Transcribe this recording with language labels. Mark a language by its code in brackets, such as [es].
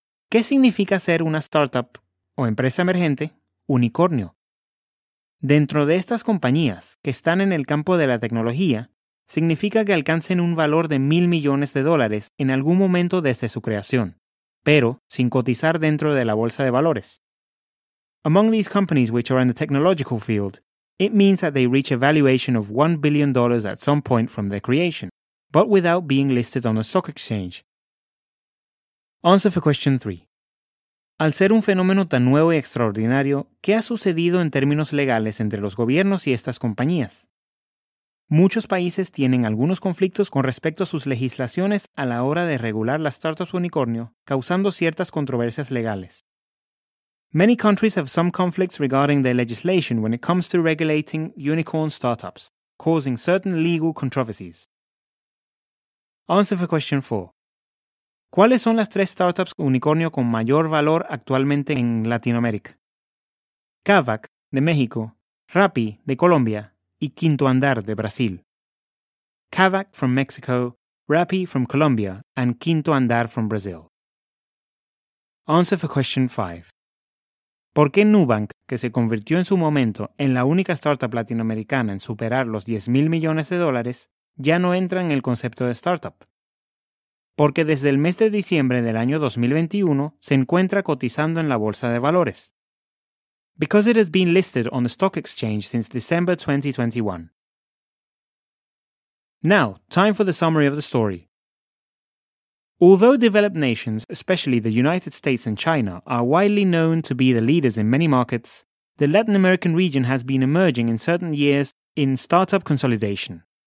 [es] ¿Qué significa ser una startup o empresa emergente unicornio? Dentro de estas compañías que están en el campo de la tecnología, significa que alcancen un valor de $1,000 millones en algún momento desde su creación, pero sin cotizar dentro de la bolsa de valores. [en] Among these companies which are in the technological field, it means that they reach a valuation of $1 billion at some point from their creation, but without being listed on a stock exchange. Answer for question 3. [es] Al ser un fenómeno tan nuevo y extraordinario, ¿qué ha sucedido en términos legales entre los gobiernos y estas compañías? Muchos países tienen algunos conflictos con respecto a sus legislaciones a la hora de regular las startups unicornio, causando ciertas controversias legales. [en] Many countries have some conflicts regarding their legislation when it comes to regulating unicorn startups, causing certain legal controversies. Answer for question 4. [es] ¿Cuáles son las tres startups unicornio con mayor valor actualmente en Latinoamérica? Kavak, de México, Rappi, de Colombia, y Quinto Andar, de Brasil. [en] Kavak from Mexico, Rappi from Colombia, and Quinto Andar from Brazil. Answer for question 5. [es] ¿Por qué Nubank, que se convirtió en su momento en la única startup latinoamericana en superar los $10,000 millones, ya no entra en el concepto de startup? Porque desde el mes de diciembre del año 2021 se encuentra cotizando en la bolsa de valores. [en] Because it has been listed on the stock exchange since December 2021. Now, time for the summary of the story. Although developed nations, especially the United States and China, are widely known to be the leaders in many markets, the Latin American region has been emerging in certain years in startup consolidation.